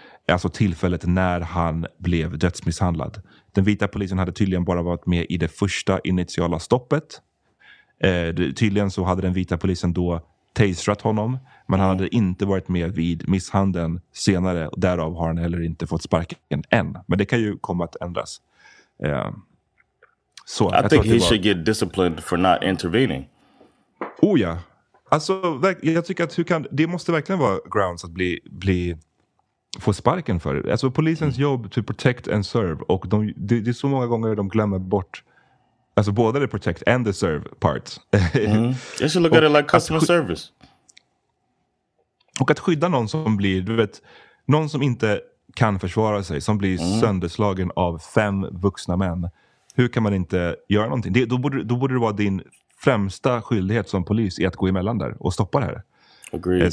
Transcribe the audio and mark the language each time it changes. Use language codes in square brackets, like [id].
[sv] Alltså tillfället när han blev dödsmisshandlad. Den vita polisen hade tydligen bara varit med i det första initiala stoppet. Tydligen så hade den vita polisen då tasrat honom. Men han hade inte varit med vid misshandeln senare. Och därav har han heller inte fått sparken än. Men det kan ju komma att ändras. [en] Så, I think he should get disciplined for not intervening. [sv] Oh ja. Alltså, jag tycker att det måste verkligen vara grounds att få sparken för. Alltså polisens jobb [en] to protect and serve. [sv] Och det är så många gånger de glömmer bort. Alltså både [en] the protect and the serve part. They should look at it like customer service. [sv] Och att skydda någon som blir, du vet, någon som inte kan försvara sig, som blir sönderslagen av 5 vuxna män. Hur kan man inte göra någonting? Då borde det vara din främsta skyldighet som polis i att gå emellan där och stoppa det här. [en] Agreed.